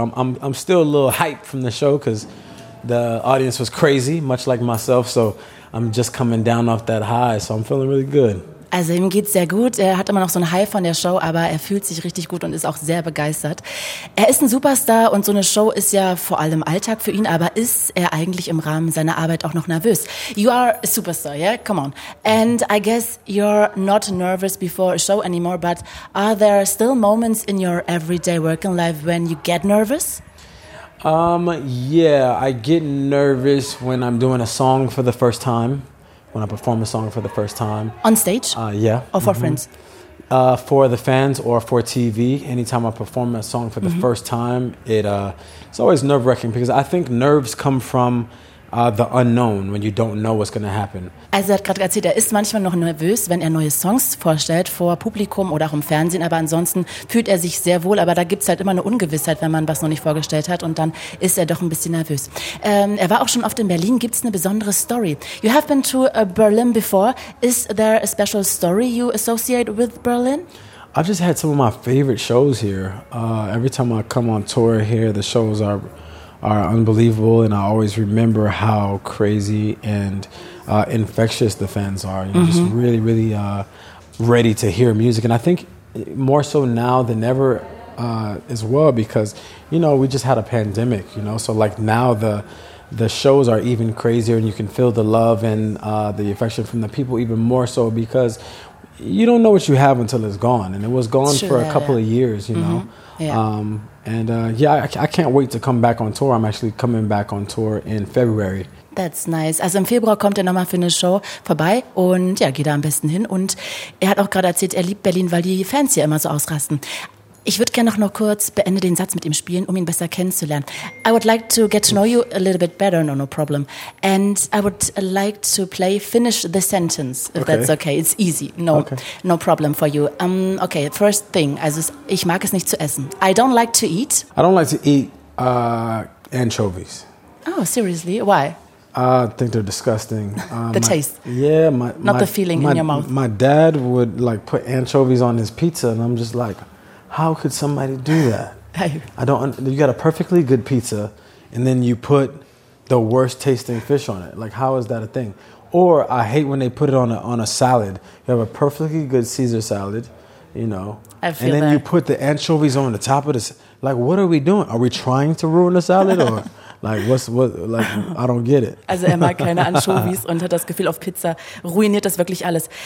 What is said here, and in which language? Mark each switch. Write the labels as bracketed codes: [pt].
[en] I'm still a little hyped from the show because the audience was crazy, much like myself, so I'm just coming down off that high, so I'm feeling really good. [de] Also ihm geht's sehr gut, er hat immer noch so einen High von der Show, aber er fühlt sich richtig gut und ist auch sehr begeistert. Er ist ein Superstar und so eine Show ist ja vor allem Alltag für ihn, aber ist er eigentlich im Rahmen seiner Arbeit auch noch nervös? [en] You are a superstar, yeah? Come on. And I guess you're not nervous before a show anymore, but are there still moments in your everyday working life when you get nervous? Yeah, I get nervous when I'm doing a song for the first time. When I perform a song for the first time. On stage? Yeah. Or for friends? For the fans or for TV. Anytime I perform a song for the first time, it's always nerve-wracking because I think nerves come from the unknown, when you don't know what's going to happen. [de] Also er hat gerade erzählt, er ist manchmal noch nervös, wenn er neue Songs vorstellt vor Publikum oder auch im Fernsehen, aber ansonsten fühlt er sich sehr wohl, aber da gibt es halt immer eine Ungewissheit, wenn man was noch nicht vorgestellt hat und dann ist er doch ein bisschen nervös. Er war auch schon oft in Berlin, gibt es eine besondere Story? [en] You have been to Berlin before, is there a special story you associate with Berlin? I've just had some of my favorite shows here. Every time I come on tour here, the shows are unbelievable, and I always remember how crazy and infectious the fans are. You know, just really, really ready to hear music. And I think more so now than ever as well, because, you know, we just had a pandemic, you know? So, like, now the shows are even crazier, and you can feel the love and the affection from the people even more so, because you don't know what you have until it's gone. And it was gone for a couple of years, you know? Yeah. I can't wait to come back on tour. I'm actually coming back on tour in February. That's nice. [de] Also im Februar kommt er nochmal für eine Show vorbei und ja, geht da am besten hin. Und er hat auch gerade erzählt, er liebt Berlin, weil die Fans hier immer so ausrasten. Ich würde gerne noch kurz beende den Satz mit ihm spielen, um ihn besser kennenzulernen. [en] I would like to get to know you a little bit better, no problem. And I would like to play finish the sentence, if that's okay. It's easy, no problem for you. Okay, first thing, [de] also ich mag es nicht zu essen. [en] I don't like to eat. I don't like to eat anchovies. Oh, seriously, why? I think they're disgusting. Taste. Yeah. Not the feeling in your mouth. My dad would like put anchovies on his pizza and I'm just like, how could somebody do that? I don't. You got a perfectly good pizza, and then you put the worst tasting fish on it. Like, how is that a thing? Or I hate when they put it on a salad. You have a perfectly good Caesar salad, you know, and then you put the anchovies on the top of this. Like, what are we doing? Are we trying to ruin the salad or? Like, I don't get it. [de] Also er mag keine Anchovies und hat das Gefühl, auf Pizza ruiniert das wirklich alles.